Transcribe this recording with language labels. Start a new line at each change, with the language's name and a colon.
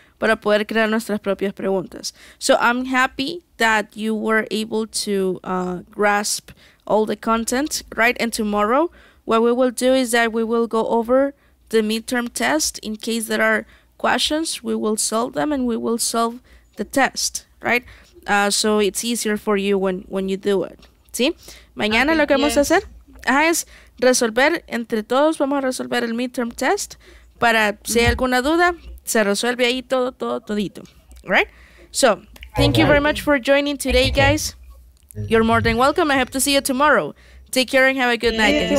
Spanish: Para poder crear nuestras propias preguntas.
English: So I'm happy that you were able to grasp all the content, right? And tomorrow, what we will do is that we will go over the midterm test. In case there are questions, we will solve them and we will solve the test, right? So it's easier for you when you do it.
Spanish: ¿Sí? Mañana lo que vamos a hacer es resolver, entre todos vamos a resolver el midterm test para si hay alguna duda, se resuelve ahí todito.
English: Right? So, thank you very much for joining today, guys. You're more than welcome. I hope to see you tomorrow. Take care and have a good night, guys.